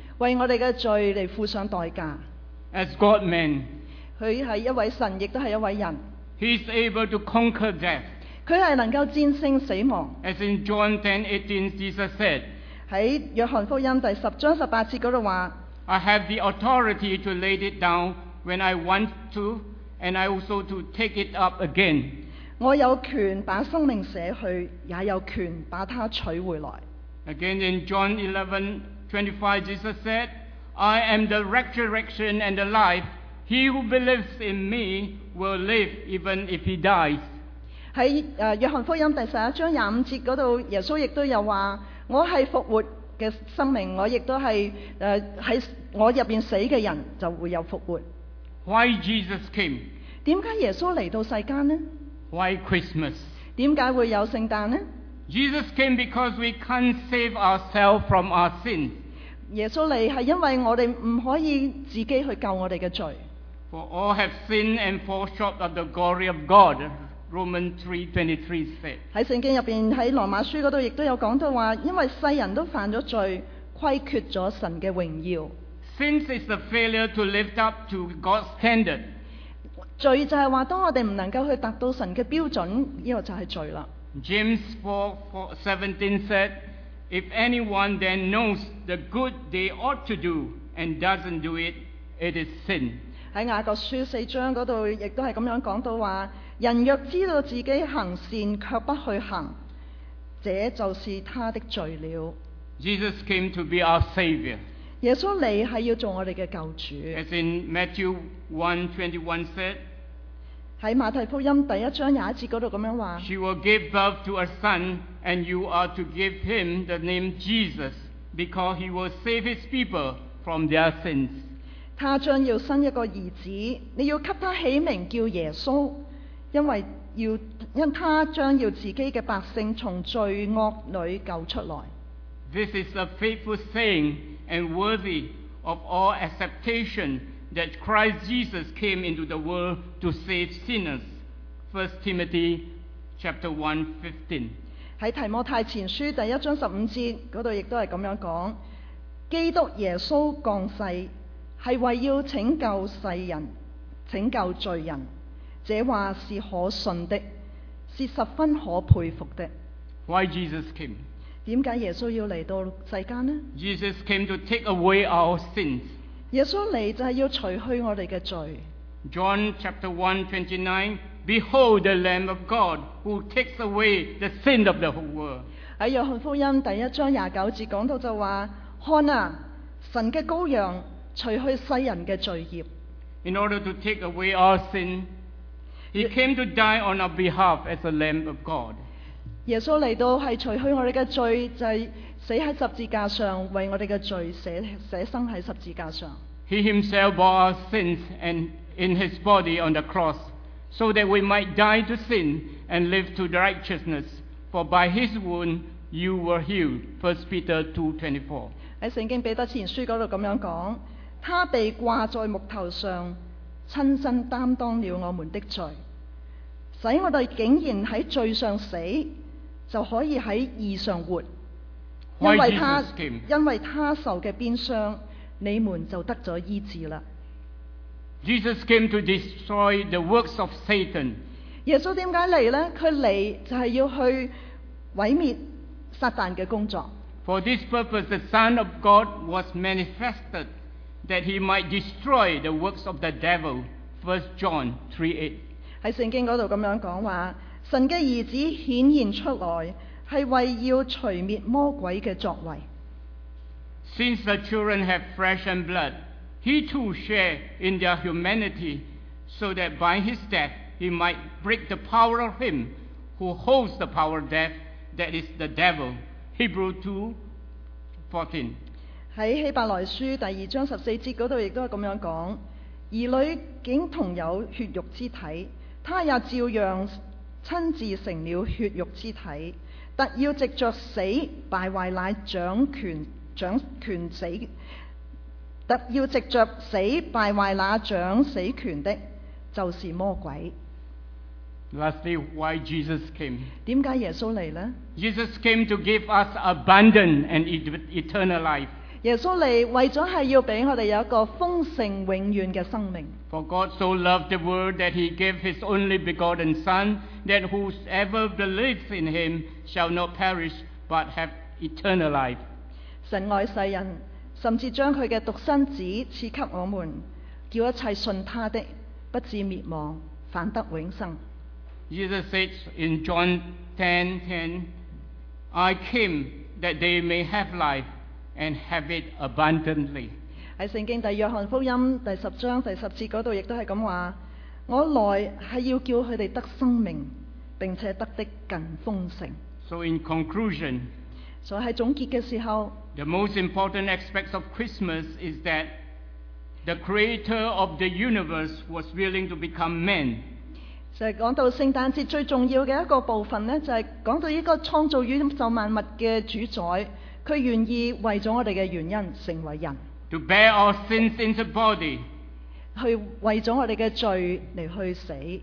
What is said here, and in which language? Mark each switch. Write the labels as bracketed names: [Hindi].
[Chinese] 為我們的罪來付上代價。 [English] As God man. [Chinese] 他是一位神，也是一位人。 [English] He is able to conquer death. [Chinese] 他是能夠戰勝死亡。 [English] As in John 10:18, Jesus said, [Chinese] 在約翰福音第十章十八節嗰度話 [English] ：，I have the authority to lay it down when I want to, and I also to take it up again。 [Chinese] 我有權把生命捨去，也有權把它取回來。 [English] Again in John 11:25, Jesus said, "I am the resurrection and the life. He who believes in me will live even if he dies." [Chinese] 在約翰福音第十一章廿五節嗰度，耶穌亦都有話。我是復活的生命，我亦都是在我入面死的人就会有復活。 [English] Why Jesus came? [Chinese] 点解耶稣来到世间呢？ [English] Why Christmas? [Chinese] 点解会有圣诞呢？ [English] Jesus came because we can't save ourselves from our sin. [Chinese] 耶稣来是因为我们不可以自己去救我们的罪。 [English] For all have sinned and fall short of the glory of God. Romans 3:23 said [Chinese] 在圣经里面，在罗马书那里也有讲到说，因为世人都犯了罪，亏缺了神的荣耀。 [English] Sin is the failure to lift up to God's standard. [Chinese] 罪就是说，当我们不能够去达到神的标准，这个就是罪了。 [English] James 4:17 said, If anyone then knows the good they ought to do and doesn't do it, it is sin. [Chinese] 在雅各书四章那里也是这样讲到说，人若知道自己行善却不去行，这就是他的罪了。 [English] Jesus came to be our savior. [Chinese] 耶稣来是要做我们的救主。 [English] As in Matthew 1:21 said, [Chinese] 在马太福音第一章廿一节那里这样说， [English] She will give birth to a son, and you are to give him the name Jesus, because he will save his people from their sins. [Chinese] 他将要生一个儿子，你要给他起名叫耶稣。因他将要自己的百姓从罪恶里救出来。 [English] This is a faithful saying and worthy of all acceptation that Christ Jesus came into the world to save sinners. 1 Timothy 1:15 [Chinese] 在提摩太前书第一章十五节那里也是这样讲，基督耶稣降世是为要拯救世人，拯救罪人。这话是可信的，是十分可佩服的。 [English] Why Jesus came? [Chinese] 点解耶稣要嚟到世间呢？ [English] Jesus came to take away our sins. [Chinese] 耶稣嚟就系要除去我哋嘅罪。 [English] John chapter 1:29, Behold the Lamb of God who takes away the sin of the whole world. [Chinese] 喺约翰福音第一章廿九节讲到就话，看啊，神嘅羔羊，除去世人嘅罪孽。 [English] In order to take away our sin. He came to die on our behalf as a Lamb of God. [Chinese] 耶稣来到是除去我们的罪，就是死在十字架上，为我们的罪舍身在十字架上。 [English] He himself bore our sins and in his body on the cross, so that we might die to sin and live to righteousness. For by his wound you were healed. 1 Peter 2:24. [Chinese] 在圣经彼得前书那里这样讲，他被挂在木头上，亲身担当了我们的罪，使我们竟然在罪上死，就可以在义上活。因为他受的鞭伤，你们就得了医治了。 [English] Jesus came to destroy the works of Satan. [Chinese] 耶稣为什么来呢？他来就是要去毁灭撒旦的工作。 [English] For this purpose, the Son of God was manifested that he might destroy the works of the devil. 1 John 3:8. [Chinese] 在圣经那里这样讲话，神的儿子显现出来，是为要除灭魔鬼的作为。 [English] Since the children have flesh and blood,He too shared in their humanity, so that by his death he might break the power of him who holds the power of death, that is the devil. Hebrews 2:14. [Chinese] 在希伯来书第二章十四节嗰度亦都系咁样讲，儿女竟同有血肉之体，他也照样亲自成了血肉之体，特要藉着死败坏乃掌权死。特要藉着死败坏那掌死权的，就是魔鬼。 [English] Lastly, why Jesus came? [Chinese] 点解耶稣嚟呢？ [English] Jesus came to give us abundant and eternal life. [Chinese] 耶稣嚟为咗系要俾我哋有一个丰盛永远嘅生命。 [English] For God so loved the world that he gave his only begotten Son, that whosoever believes in him shall not perish but have eternal life. [Chinese] 神爱世人。甚至将他的独生子赐给我们，叫一切信他的不至灭亡，反得永生。 [English] Jesus said in John 10:10, I came that they may have life and have it abundantly. [Chinese] 在圣经第约翰福音第十章第十节那里也是这样说，我来是要叫他们得生命，并且得的更丰盛。 [English] So in conclusion, [Chinese] 所以在总结的时候， [English] The most important aspect of Christmas is that the creator of the universe was willing to become man. [Chinese] 就是讲到圣诞节最重要的一个部分呢，就是讲到这个创造宇宙万物的主宰，他愿意为了我们的原因成为人。 [English] To bear our sins in the body. [Chinese] 去为了我们的罪来去死。